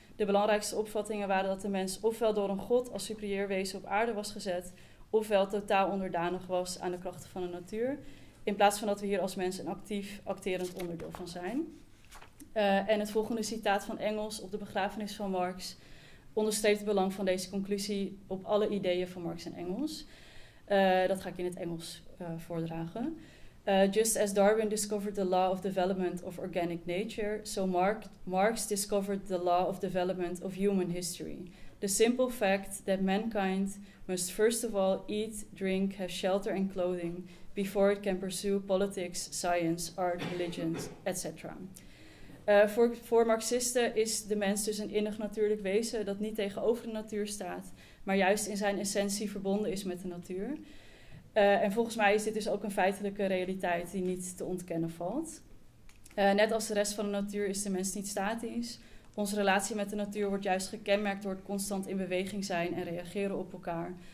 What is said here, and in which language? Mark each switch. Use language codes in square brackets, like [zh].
[nl] De belangrijkste opvattingen waren dat de mens ofwel door een god als superieur wezen op aarde was gezet, ofwel totaal onderdanig was aan de krachten van de natuur, in plaats van dat we hier als mens een actief, acterend onderdeel van zijn. En het volgende citaat van Engels op de begrafenis van Marx onderstreept het belang van deze conclusie op alle ideeën van Marx en Engels. Dat ga ik in het Engels voordragen. [en] Just as Darwin discovered the law of development of organic nature, so Marx discovered the law of development of human history. The simple fact that mankind must first of all eat, drink, have shelter and clothing before it can pursue politics, science, art, religion, etc. [nl] Voor Marxisten is de mens dus een innig natuurlijk wezen dat niet tegenover de natuur staat, maar juist in zijn essentie verbonden is met de natuur. En volgens mij is dit dus ook een feitelijke realiteit die niet te ontkennen valt. Net als de rest van de natuur is de mens niet statisch. Onze relatie met de natuur wordt juist gekenmerkt door het constant in beweging zijn en reageren op elkaar.